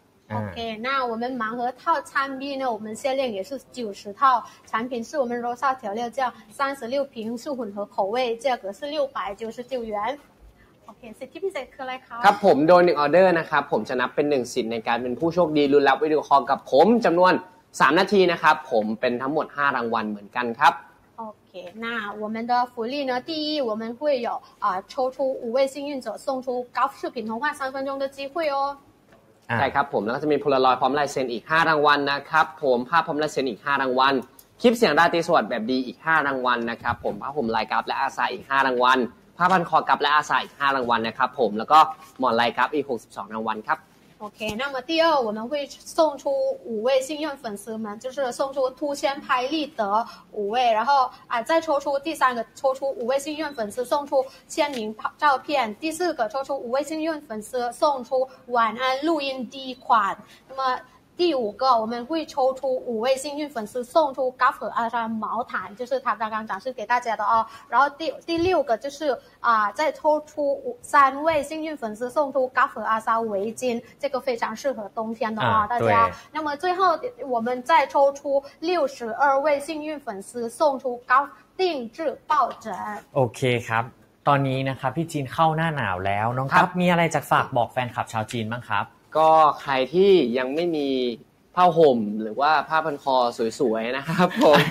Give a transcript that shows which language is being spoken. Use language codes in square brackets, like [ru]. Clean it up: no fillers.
[th] โอเค [zh] 那我们盲盒套餐 B 呢我们限量也是90套产品是我们 Rosa 调料酱36瓶是混合口味价格是699 [th] หยวนโอเคสิทธิพิเศษคืออะไรครับ ครับผมโดย1ออเดอร์นะครับผมจะนับเป็น1สิทธิ์ในการเป็นผู้โชคดีลุ้นรับวิดีโอคอลกับผมจำนวน3นาทีนะครับผมเป็นทั้งหมด5รางวัลเหมือนกันครับ [zh] OK, 那我们的福利呢第一我们会有抽出五位幸运者送出高视频通话三分钟的机会哦。 [th] ใช่ครับผมแล้วก็จะมีโพลารอยด์พร้อมลายเซ็นอีก5รางวัลนะครับผมภาพพร้อมลายเซ็นอีก5รางวัลคลิปเสียงราตรีสวัสดิ์แบบดีอีก5รางวัลนะครับผมผ้าห่มลายกัปและอาซาอีก5รางวัลผ้าพันคอกัปและอาซาอีก5รางวัลนะครับผมแล้วก็หมอนลายกัปอีก62รางวัลครับ [zh] OK, 那么第二我们会送出五位幸运粉丝们就是送出兔签拍立得五位然后再抽出第三个抽出五位幸运粉丝送出签名照片第四个抽出五位幸运粉丝送出晚安录音D款那么第五个我们会抽出五位幸运粉丝送出 Guff 和阿莎毛毯就是他刚刚展示给大家的哦然后第六个就是再抽出三位幸运粉丝送出 Guff 和阿莎围巾这个非常适合冬天的哦大家那么最后我们再抽出62位幸运粉丝送出 Guff 定制抱枕 [th] OK ครับตอนนี้นะครับพี่จีนเข้าหน้าหนาวแล้วน้องครับมีอะไรจะฝากบอกแฟนคลับชาวจีนบ้างครับ ก็ใครที่ยังไม่มีผ้าห่มหรือว่าผ้าพันคอสวยๆนะครับผม